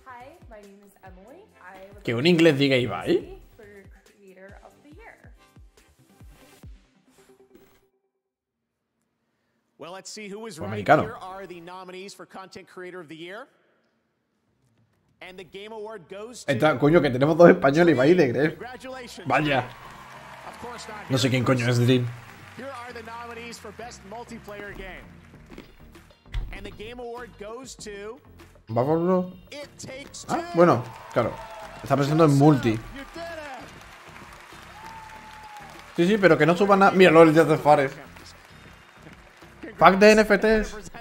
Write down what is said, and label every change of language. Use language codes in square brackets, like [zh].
[en] Hi, my name is Emily. [es] Que un inglés diga Ibai. [en] For creator of the year. Well, let's see who is right. Here are the nominees for content creator of the year. And the game award goes to... [es] Entonces, coño, que tenemos dos españoles, Ibai y de Gref. Vaya. No sé quién coño es Dream. [en] Here are the nominees for best multiplayer game. And the game award goes to... [es] ¿Va por uno? [en] It takes two. [es] Ah, bueno, claro. Está pensando en multi. Sí, sí, pero que no suba nada. Míralo, el Death of Fares. Pack de NFTs.